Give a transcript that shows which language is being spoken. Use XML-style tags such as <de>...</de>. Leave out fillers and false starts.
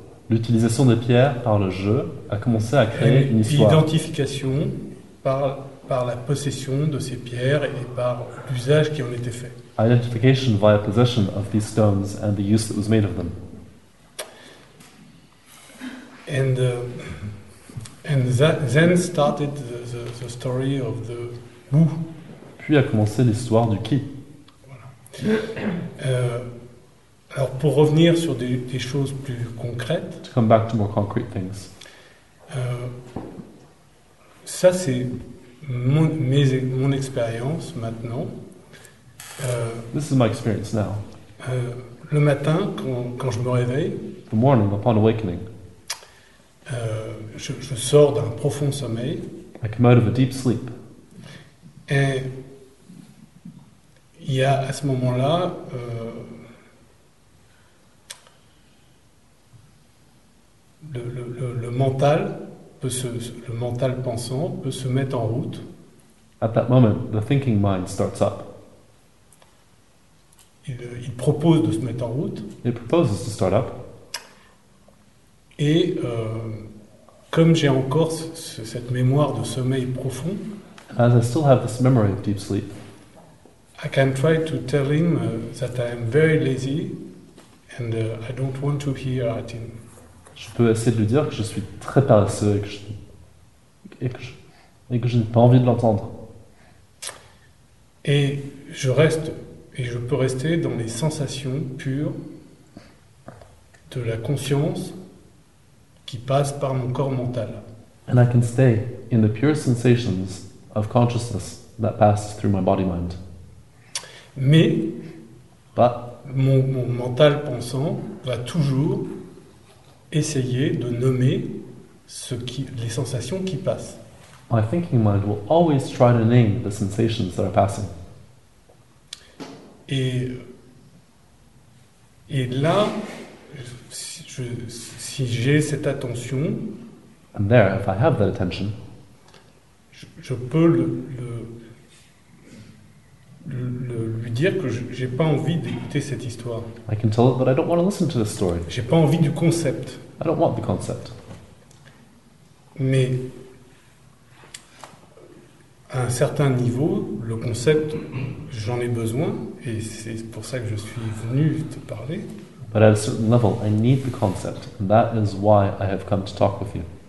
<fr>L'utilisation des pierres par le jeu a commencé à créer une histoire. L'identification par la possession de ces pierres et par l'usage qui en était fait.</fr> <en>Identification via possession of these stones and the use that was made of them. And then started the story of the who.</en> <fr>Puis a commencé l'histoire du qui. Voilà. Alors pour revenir sur des choses plus concrètes.</fr> <en>To come back to more concrete things.</en> <fr>Ça c'est mon expérience maintenant.</fr> <en>This is my experience now.</en> <fr>Le matin quand je me réveille.</fr> <en>The morning upon awakening.</en> <fr>Je sors d'un profond sommeil.</fr> <en>I come out of a deep sleep.</en> <fr>Et il y a à ce moment-là. Le mental peut le mental pensant peut se mettre en route.</fr> <en>At that moment, the thinking mind starts up.</en> <fr>Il propose de se mettre en route.</fr> <en>It proposes to start up.</en> <fr>Et comme j'ai encore cette mémoire de sommeil profond,</fr> <en>as I still have this memory of deep sleep, I can try to tell him that I am very lazy and I don't want to hear at him.</en> <fr>Je peux essayer de lui dire que je suis très paresseux et que je n'ai pas envie de l'entendre. Et je reste, et je peux rester dans les sensations pures de la conscience qui passe par mon corps mental.</fr> <en>And I can stay in the pure sensations of consciousness that pass through my body-mind.</en> <fr>Mais</fr> <en>But,</en> <fr>mon mental pensant va toujours essayer de nommer les sensations qui passent.</fr> <en>My thinking mind will always try to name the sensations that are passing.</en> <fr>Et là, si j'ai cette attention,</fr> <en>and there, if I have that attention,</en> <fr>je peux le lui dire que j'ai pas envie d'écouter cette histoire.</fr> <en>I can tell it that I don't want to listen to the story.</en> <fr>J'ai pas envie du concept.</fr> <en>I don't want the concept.</en> <fr>Mais à un certain niveau, le concept, j'en ai besoin, et c'est pour ça que je suis venu te parler.</fr> <en>But at a certain level, I need the concept, and that is why I have come to talk with you.</en>